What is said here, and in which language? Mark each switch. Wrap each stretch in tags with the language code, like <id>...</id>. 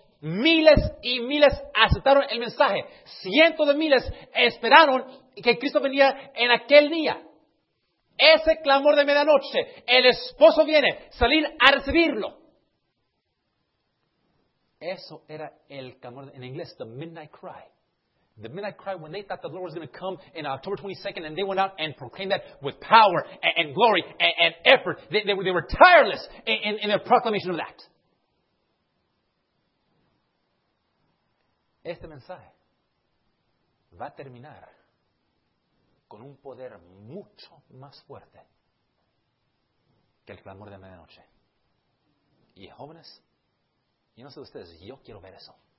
<es>Miles y miles aceptaron el mensaje. Cientos de miles esperaron que Cristo venía en aquel día. Ese clamor de medianoche, el esposo viene, salir a recibirlo. Eso era el clamor, en inglés,</es> <en>the midnight cry. The midnight cry, when they thought the Lord was going to come in October 22nd, and they went out and proclaimed that with power and glory and effort. They were tireless in their proclamation of that.</en> <es>Este mensaje va a terminar con un poder mucho más fuerte que el clamor de medianoche. Y jóvenes, yo no sé de ustedes, yo quiero ver eso.</es>